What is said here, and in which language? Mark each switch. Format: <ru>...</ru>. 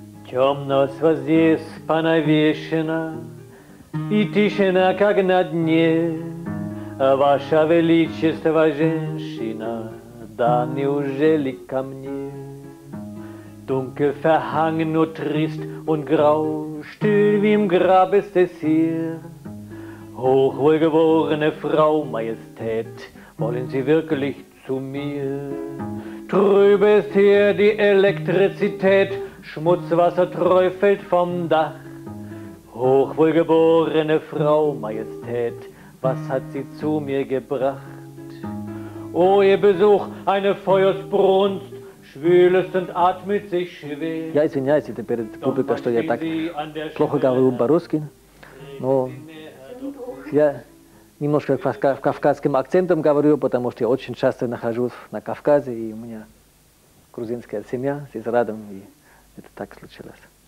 <ru>Темноство здесь понавешено, и тишина, как на дне. Ваше Величество, женщина, да неужели ко мне?</ru> <de>Dunkel verhangen und trist und grau, still wie im Grab ist es hier. Hochwohlgeborene Frau, Majestät, wollen Sie wirklich zu mir? Trübe ist hier die Elektrizität, Schmutzwasser träufelt vom Dach. Hochwohlgeborene Frau, Majestät, was hat sie zu mir gebracht? Oh, ihr Besuch, eine Feuersbrunst, schwülest und atmet sich schwer.</de> <ru>Я извиняюсь перед публикой, что я так плохо говорю по-русски, но я немножко кавказским акцентом говорю, потому что я очень часто нахожусь на Кавказе, и у меня грузинская семья здесь рядом, и это так случилось.</ru>